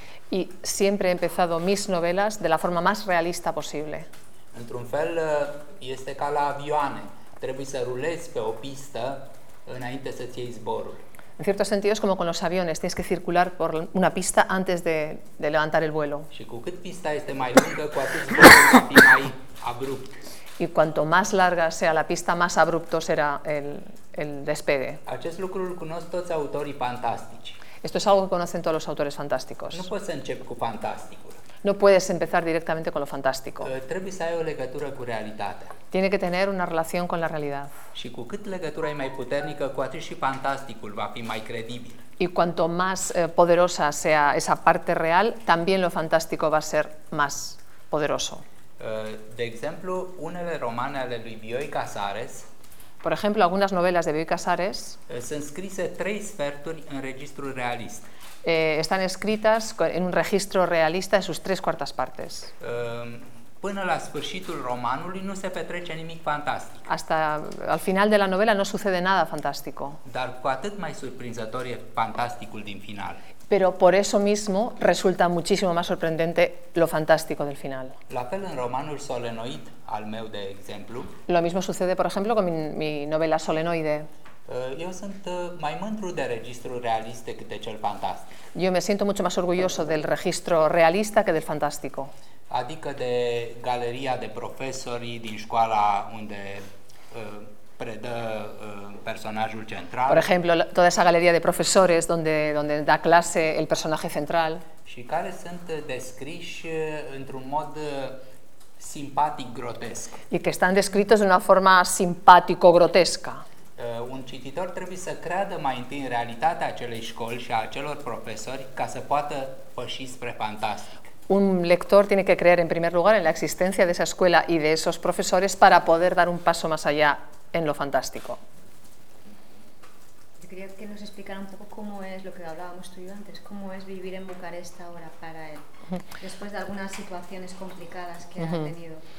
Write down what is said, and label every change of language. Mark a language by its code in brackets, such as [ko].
[es] Y siempre he empezado mis novelas de la forma más realista posible. [ro] Într-un fel este ca la avioane, trebuie să rulezi pe o pistă înainte să ții zborul. [es] En cierto sentido es como con los aviones, tienes que circular por una pista antes de levantar el vuelo. [ro] Și cu cât pista este mai lungă, cu atât zborul va fi mai abrupt. [es] Y cuanto más larga sea la pista, más abrupto será el despegue. [ro] Acest lucru îl cunosc toți autorii fantastici. [es] Esto es algo que conocen todos los autores fantásticos. No puedes empezar con fantástico. No puedes empezar directamente con lo fantástico. [ro] Trebuie să ai o legătură cu realitatea. [es] Tiene que tener una relación con la realidad. [ro] Și cu cât legătura e mai puternică, cu atât și fantasticul va fi mai credibil. [es] Y cuanto más poderosa sea esa parte real, también lo fantástico va a ser más poderoso. [ro] De exemplu, unele romane ale lui Bioy Casares. [es] Por ejemplo, algunas novelas de Bioy Casares [ro] sunt scrise trei sferturi în registru realist. [es] Están escritas en un registro realista de sus tres cuartas partes. [ro] Până la sfârșitul romanului nu se petrece nimic fantastic. [es] Hasta al final de la novela no sucede nada fantástico. [ro] Dar cu atât mai surprinzător e fantasticul din final. [es] Pero por eso mismo resulta muchísimo más sorprendente lo fantástico del final. [ro] La fel în romanul Solenoid, al meu de exemplu. [es] Lo mismo sucede, por ejemplo, con mi novela Solenoide. [ro] Eu sunt mai mândru de registrul realist decât de cel fantastic. [es] Yo me siento mucho más orgulloso del registro realista que del fantástico. [ro] Adică de galeria de profesori din școala unde predă personajul central. [es] Por ejemplo, toda esa galería de profesores donde da clase el personaje central. [ro] Și care sunt descriși într-un mod simpatic grotesc. [es] Y que están descritos de una forma simpático grotesca. [ro] Un cititor trebuie să creadă mai întâi în realitatea acelei școli și a acelor profesori ca să poată păși spre fantastic. [es] Un lector tiene que creer en primer lugar en la existencia de esa escuela y de esos profesores para poder dar un paso más allá en lo fantástico. Yo quería que nos explicara un poco cómo es lo que hablábamos tú y yo antes, cómo es vivir en Bucarest ahora para él, después de algunas situaciones complicadas que ha tenido.